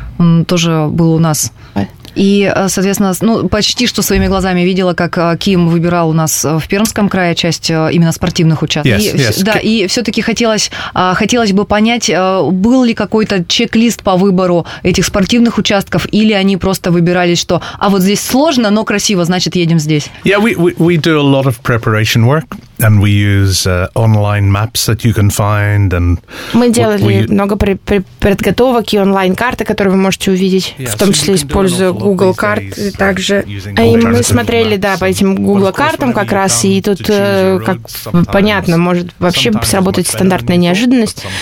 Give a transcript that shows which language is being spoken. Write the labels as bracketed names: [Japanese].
[Russian] Он тоже был у нас. И, соответственно, ну, почти что своими глазами видела, как Ким выбирал у нас в Пермском крае часть именно спортивных участков. [English] Yes, yes. [Russian] Да, и все-таки хотелось бы понять, был ли какой-то чек-лист по выбору этих спортивных участков, или они просто выбирались, что «а вот здесь сложно, но красиво, значит, едем здесь». [English] Yeah, we do a lot of preparation work, and we use online maps that you can find. And [Russian] мы делали много подготовок и онлайн-карты, которые вы можете увидеть, yeah, в том числе используя Google карты также. И мы смотрели, да, по этим Google картам как раз, и тут, как понятно, может вообще сработать стандартная неожиданность.